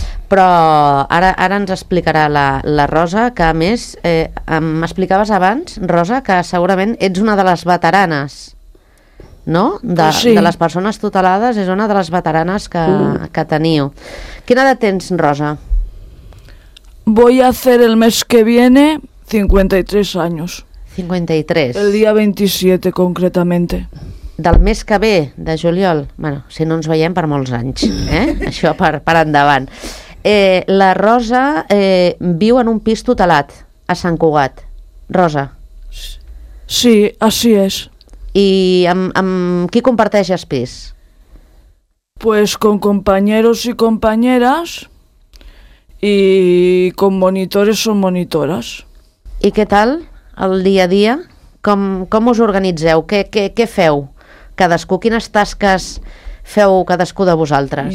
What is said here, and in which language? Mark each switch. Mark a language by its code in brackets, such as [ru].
[ca] Però ara ens explicarà la Rosa, que a més m'explicaves abans, Rosa, que segurament ets una de les veteranes, no? Sí. De les persones tutelades, és una de les veteranes que teniu. Quina edat tens, Rosa? [es] Voy a hacer el mes que viene 53 años. 53. El día 27, concretamente. [ca] Del mes que ve, de juliol. Bueno, si no ens veiem per molts anys, Això per endavant. La Rosa viu en un pis tutelat a Sant Cugat. Rosa. Sí, així és. I amb qui comparteixes pis? [es] Pues con compañeros y compañeras y con monitores o monitoras. [ca] I què tal el dia a dia? Com us organitzeu? Què feu cadascú? Quines tasques feu cadascú de vosaltres?